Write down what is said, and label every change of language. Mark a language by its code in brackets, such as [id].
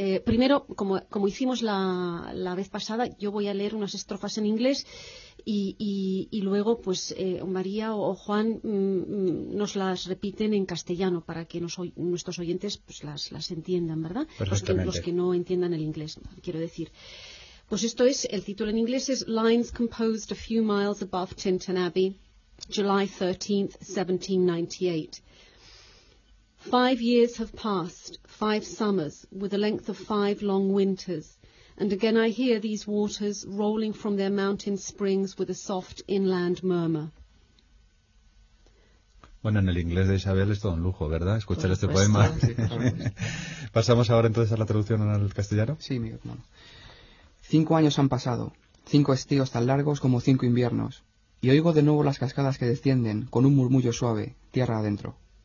[es] Primero, como hicimos la vez pasada, yo voy a leer unas estrofas en inglés y luego pues María o Juan nos las repiten en castellano para que nuestros oyentes pues las entiendan, ¿verdad? Los que no entiendan el inglés, quiero decir. Pues esto es, el título en inglés es Lines Composed a Few Miles Above Tintern Abbey, July 13th, 1798. [en] 5 years have passed, 5 summers, with a length of 5 long winters, and again I hear these waters rolling from their mountain springs with a soft inland murmur. [es] Bueno, en el inglés de Isabel es todo un lujo, ¿verdad? Escuchar este poema. Sí, claro. ¿Pasamos ahora entonces a la traducción al castellano? Sí, mi hermano. 5 años han pasado, 5 estíos tan largos como 5 inviernos, y oigo de nuevo las cascadas que descienden con un murmullo suave, tierra adentro.